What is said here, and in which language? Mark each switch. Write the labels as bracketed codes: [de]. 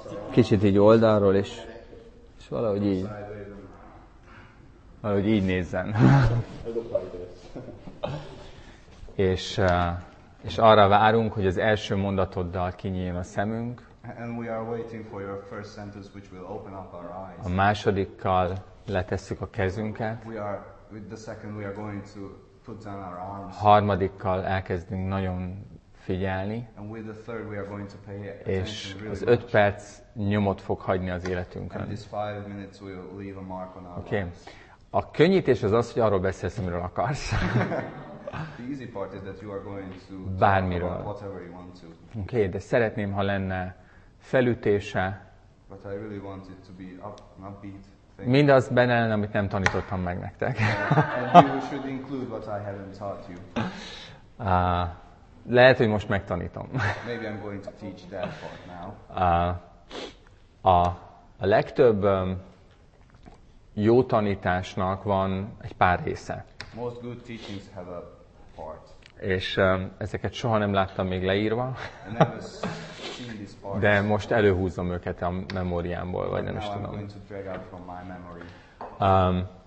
[hu] Kicsit így oldalról, és valahogy így. Valahogy így nézzen. És arra várunk, hogy az első mondatoddal kinyíljon a szemünk. [en] And we are waiting for your first sentence, which will open up our eyes. [hu] A másodikkal letesszük a kezünket. [en] We are with the second. We are going to put down our arms. [hu] Harmadikkal elkezdünk nagyon figyelni. [en] And with the third, we are going to pay attention. [hu] És [en] really [hu] az 5 perc nyomot fog hagyni az életünkön. [en] And these 5 minutes will leave a mark on our lives. Okay. [hu] A könnyítés az, hogy arról beszélsz, amiről akarsz. [en] The easy part is that you are going to [hu] bármiről. [en] Talk about whatever you want to. [hu] Okay, de szeretném, ha lenne felütése. [en] But I really want it to be an upbeat thing. [hu] Mindaz benne lenne, amit nem tanítottam meg nektek. [en] And you should include what I haven't taught you. [hu] Lehet, hogy most megtanítom. [en] Maybe I'm going to teach that part now. [hu] A legtöbb jó tanításnak van egy pár része. [en] Most good teachings have a part. [hu] És ezeket soha nem láttam még leírva. [en] I never seen these parts. [hu] De most előhúzom őket a memóriámból, vagy nem is tudom. [en] I'm going to drag out from my memory.